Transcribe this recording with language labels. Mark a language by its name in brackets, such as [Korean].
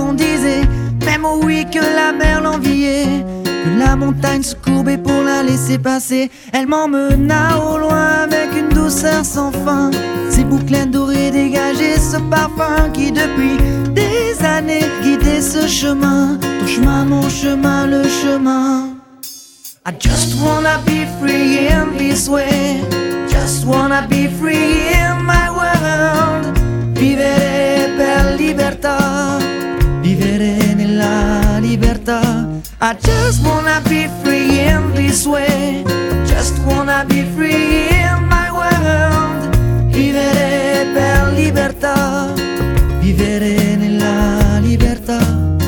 [French] On disait même au oui que la mer l'enviait, que la montagne se courbait pour la laisser passer. Elle m'emmena au loin avec une douceur sans fin, ses boucles dorées dégageaient ce parfum qui depuis des années guidait ce chemin. Ton chemin, mon chemin, le chemin. [English] I just wanna be free in this way. Just wanna be free in my world. [Italian] Vivere per libertà, vivere nella libertà. [English] I just wanna be free in this way. Just wanna be free in my world. [Italian] Vivere per libertà, vivere nella libertà.